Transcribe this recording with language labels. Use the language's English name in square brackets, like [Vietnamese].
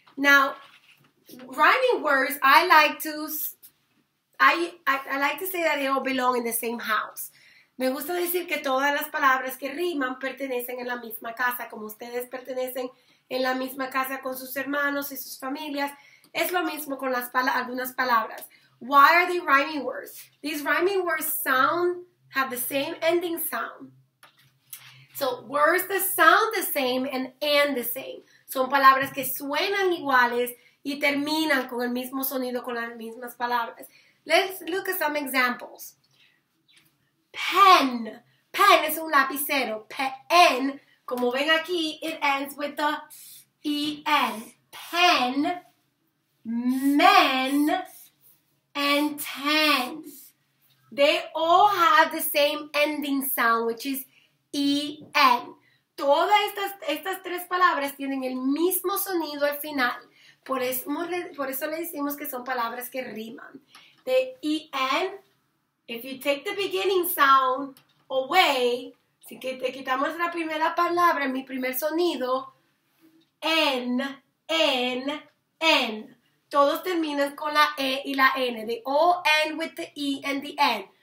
[English] Now, rhyming words, I like to say that they all belong in the same house. [Spanish] Me gusta decir que todas las palabras que riman pertenecen en la misma casa, como ustedes pertenecen en la misma casa con sus hermanos y sus familias. Es lo mismo con las algunas palabras. [English] Why are they rhyming words? These rhyming words have the same ending sound. So words that sound the same and end the same. [Spanish] Son palabras que suenan iguales y terminan con el mismo sonido con las mismas palabras. [English] Let's look at some examples. Pen. [Spanish] Pen es un lapicero. Pen, como ven aquí, [English] it ends with the E-N. Pen, men, and ten. They all have the same ending sound, which is E-N. [Spanish] Todas estas tres palabras tienen el mismo sonido al final. Por eso le decimos que son palabras que riman. [English] The E-N, if you take the beginning sound away, [Spanish] si que te quitamos la primera palabra, mi primer sonido, [English] N, N, N. [Spanish] Todos terminan con la E y la N. [English] They all end with the E and the N.